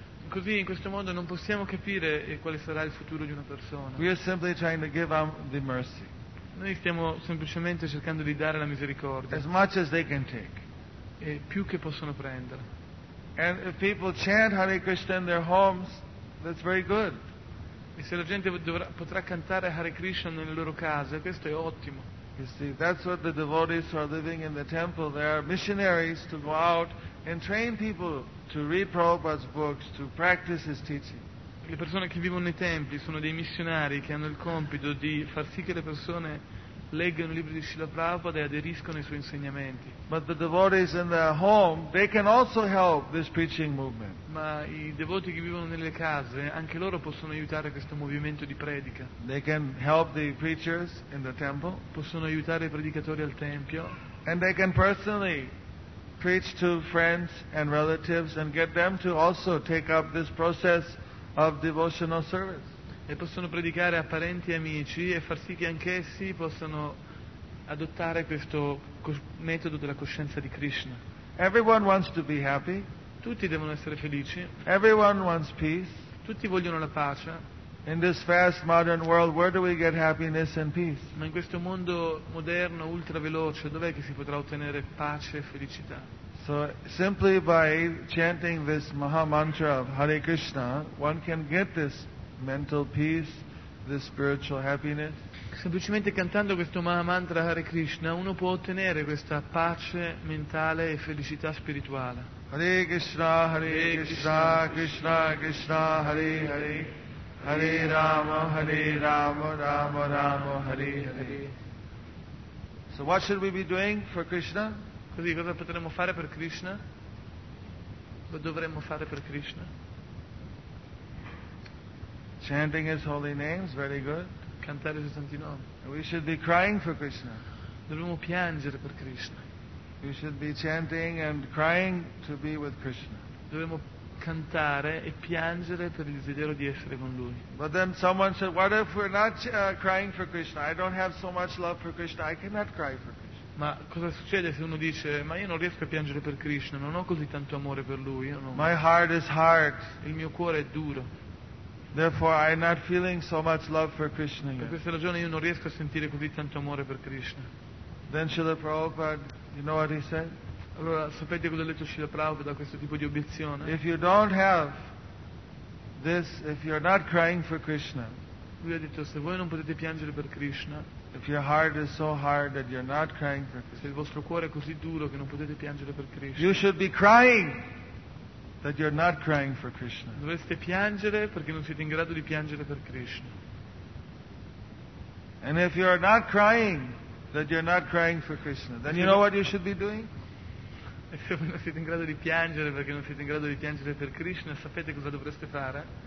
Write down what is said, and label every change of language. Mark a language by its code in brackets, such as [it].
[it] Così, in questo modo, non possiamo capire quale sarà il futuro di una persona. [en] We are simply trying to give them the mercy. [it] Noi stiamo semplicemente cercando di dare la misericordia. [en] As much as they can take. [it] E più che possono prendere. [en] And if people chant Hare Krishna in their homes, that's very good. [it] E se la gente potrà cantare Hare Krishna nelle loro case, questo è ottimo. [en] You see, that's what the devotees who are living in the temple, they are missionaries to go out and train people to read Prabhupada's books, to practice his teaching. [it] Le persone che vivono nei templi sono dei missionari che hanno il compito di far sì che le persone leggano i libri di Srila Prabhupada e aderiscono ai suoi insegnamenti. [en] But the devotees in their home, they can also help this preaching movement. [it] Ma i devoti che vivono nelle case, anche loro possono aiutare questo movimento di predica. [en] They can help the preachers in the temple. [it] Possono aiutare i predicatori al tempio. [en] And they can personally preach to friends and relatives and get them to also take up this process of devotional service. [it] E possono predicare a parenti e amici e far sì che anch'essi possano adottare questo metodo della coscienza di Krishna. [en] Everyone wants to be happy. [it] Tutti devono essere felici. [en] Everyone wants peace. [it] Tutti vogliono la pace. [en] In this fast modern world, where do we get happiness and peace? [it] Ma in questo mondo moderno ultra veloce, dov'è che si potrà ottenere pace e felicità? [en] So simply by chanting this Maha Mantra of Hare Krishna, one can get this mental peace, this spiritual happiness. [it] Semplicemente cantando questo Maha Mantra Hare Krishna, uno può ottenere questa pace mentale e felicità spirituale. [sa] Hare Krishna, Hare Krishna, Krishna Krishna, Hare Hare. Hare Rama, Hare Rama, Rama Rama, Hare Hare. [en] So what should we be doing for Krishna? [it] Così cosa potremmo fare per Krishna? Cosa dovremmo fare per Krishna? [en] Chanting his holy names, very good. [it] Cantare i suoi santi nomi. [en] We should be crying for Krishna. [it] Dovremmo piangere per Krishna. [en] We should be chanting and crying to be with Krishna. [it] Dovremmo cantare e piangere per il desiderio di essere con lui. [en] But then someone said, what if we're not crying for Krishna? I don't have so much love for Krishna, I cannot cry for Krishna. [it] Ma cosa succede se uno dice, ma io non riesco a piangere per Krishna, non ho così tanto amore per lui, io non... [en] My heart is hard. [it] Il mio cuore è duro. [en] Therefore I'm not feeling so much love for Krishna. [it] Per questa ragione io non riesco a sentire così tanto amore per Krishna. [en] Then Srila Prabhupada, you know what he said? [it] Allora sapete cosa ha detto Srila Prabhupada da questo tipo di obiezione? [en] If you don't have this, if you're not crying for Krishna. [it] Lui ha detto, se voi non potete piangere per Krishna. [en] If your heart is so hard that you're not crying for Krishna. [it] Se il vostro cuore è così duro che non potete piangere per Krishna. [en] You should be crying that you're not crying for Krishna. [it] Dovreste piangere perché non siete in grado di piangere per Krishna. [en] And if you're not crying that you're not crying for Krishna, then you know what you should be doing? [it] E se voi non siete in grado di piangere perché non siete in grado di piangere per Krishna, sapete cosa dovreste fare?